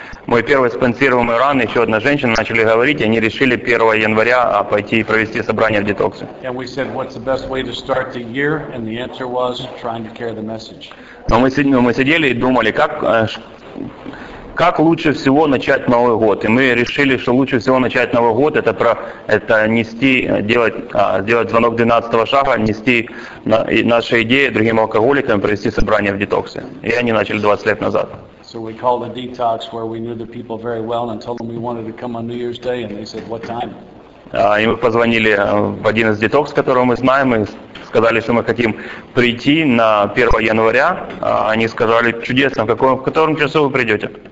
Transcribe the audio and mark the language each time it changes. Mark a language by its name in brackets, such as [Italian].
[Russian] Мой первый спонсируемый ран, еще одна женщина, начали говорить, и они решили 1 января пойти и провести собрание в детоксе. [English] And we said, what's the best way to start the year? And the answer was, trying to carry the message. [Russian] Но мы сидели и думали, как лучше всего начать Новый год. И мы решили, что лучше всего начать Новый год, это сделать звонок 12-го шага, нести наши идеи другим алкоголикам, провести собрание в детоксе. И они начали 20 лет назад. [English] So we called a detox where we knew the people very well and told them we wanted to come on New Year's Day and they said, what time? [Russian] И мы позвонили в один из детокс, которого мы знаем, и сказали, что мы хотим прийти на 1 января. Они сказали, чудесно, в котором часу вы придете.